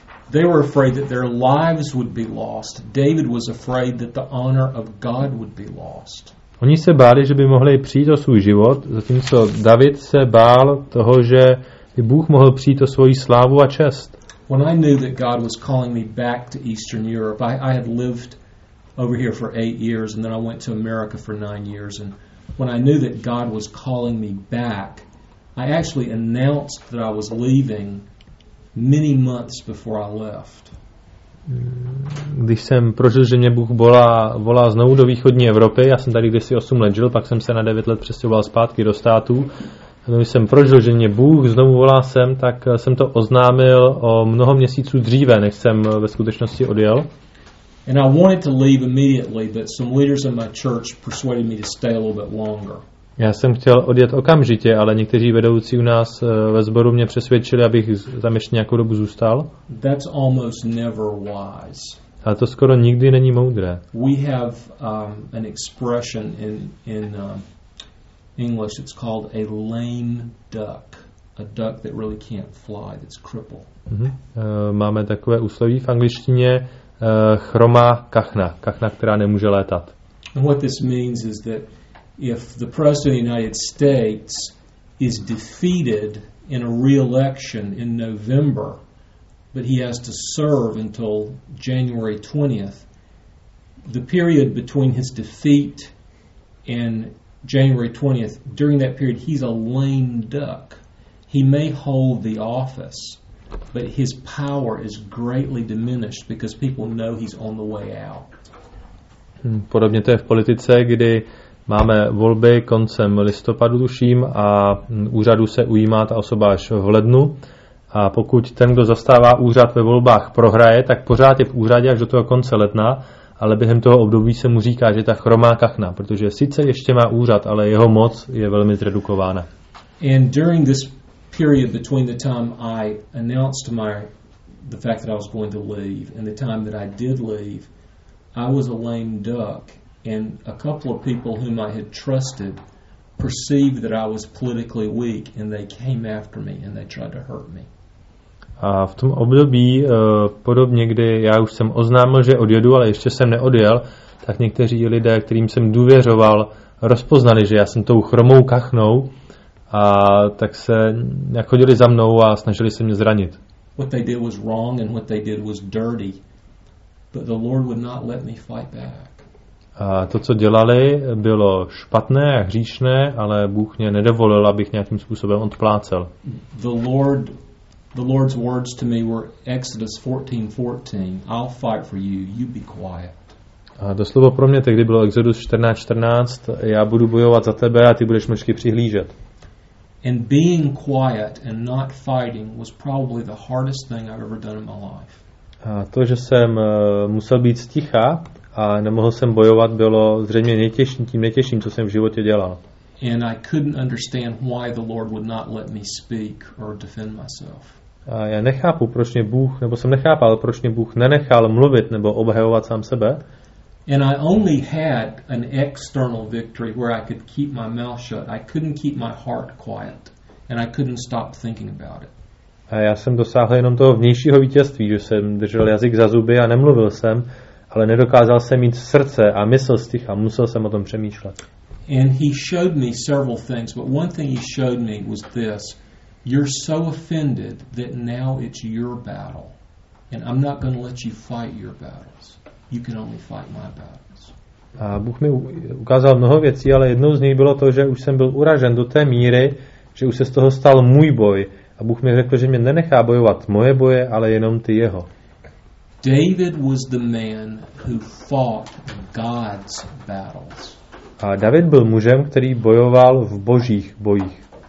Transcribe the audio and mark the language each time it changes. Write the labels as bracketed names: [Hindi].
[English] They were afraid that their lives would be lost. David was afraid that the honor of God would be lost. [Czech] Oni se báli, že by mohli přijít o svůj život, zatímco David se bál toho, že by Bůh mohl přijít o svoji slávu a čest. [English] When I knew that God was calling me back to Eastern Europe, I had lived over here for 8 years and then I went to America for 9 years, and when I knew that God was calling me back, I actually announced that I was leaving many months before I left. [Czech] Když jsem prožil, že mě Bůh volá znovu do východní Evropy, já jsem tady kdysi 8 let žil, pak jsem se na 9 let přestěhoval zpátky do států. Když jsem prožil, že mě Bůh znovu volá sem, tak jsem to oznámil o mnoho měsíců dříve, než jsem ve skutečnosti odjel. [English] And I wanted to leave immediately, but some leaders in my church persuaded me to stay a little bit longer. [Czech] Já jsem chtěl odjet okamžitě, ale někteří vedoucí u nás ve sboru mě přesvědčili, abych tam ještě nějakou dobu zůstal. [English] That's almost never wise. [Czech] A to skoro nikdy není moudré. [English] We have an expression in English, it's called a lame duck. A duck that really can't fly, that's crippled. [Czech] Máme takové úsloví v angličtině, chromá kachna, která nemůže létat. [English] And what this means is that if the president of the United States is defeated in a re-election in November, but he has to serve until January 20th, the period between his defeat and January 20th, during that period, he's a lame duck. He may hold the office, but his power is greatly diminished because people know he's on the way out. [Czech] Podobně to je v politice, kdy máme volby koncem listopadu, tuším, a úřadu se ujímá ta osoba až v lednu. A pokud ten, kdo zastává úřad ve volbách, prohraje, tak pořád je v úřadě až do toho konce ledna, ale během toho období se mu říká, že ta chromá kachna, protože sice ještě má úřad, ale jeho moc je velmi zredukována. [English] And during this period between the time I announced the fact that I was going to leave and the time that I did leave, I was a lame duck. And a couple of people whom I had trusted perceived that I was politically weak and they came after me and they tried to hurt me. [Czech] A v tom období, podobně, kdy já už jsem oznámil, že odjedu, ale ještě jsem neodjel, tak někteří lidé, kterým jsem důvěřoval, rozpoznali, že já jsem tou chromou kachnou, a tak se chodili za mnou a snažili se mě zranit. [English] What they did was wrong and what they did was dirty, but the Lord would not let me fight back. [Czech] A to, co dělali, bylo špatné a hříšné, ale Bůh mě nedovolil, abych nějakým způsobem odplácel. [English] The Lord's words to me were Exodus 14:14. I'll fight for you, you be quiet. [Czech] A to slovo pro mě tehdy bylo Exodus 14:14. Já budu bojovat za tebe a ty budeš mlčky přihlížet. [English] And being quiet and not fighting was probably the hardest thing I've ever done in my life. [Czech] A to, že jsem musel být ticha a nemohl jsem bojovat, bylo zřejmě tím nejtěžším, co jsem v životě dělal. [English] And I couldn't understand why the Lord would not let me speak or defend myself. [Czech] A já nechápu, proč mě Bůh, nebo jsem nechápal, proč mě Bůh nenechal mluvit nebo obhajovat sám sebe. [English] And I only had an external victory where I could keep my mouth shut. I couldn't keep my heart quiet and I couldn't stop thinking about it. [Czech] A já jsem dosáhl jenom toho vnějšího vítězství, že jsem držel jazyk za zuby a nemluvil jsem, ale nedokázal jsem mít srdce a mysl sticha a musel jsem o tom přemýšlet. [English] And he showed me several things, but one thing he showed me was this: you're so offended that now it's your battle and I'm not going to let you fight your battles. You can only fight my battles. [Czech] A Bůh mi ukázal mnoho věcí, ale jednou z nich bylo to, že už jsem byl uražen do té míry, že už se z toho stal můj boj. A Bůh mi řekl, že mě nenechá bojovat moje boje, ale jenom ty jeho. [English] David was the man who fought God's battles. [Czech] A David byl mužem, který bojoval v božích bojích.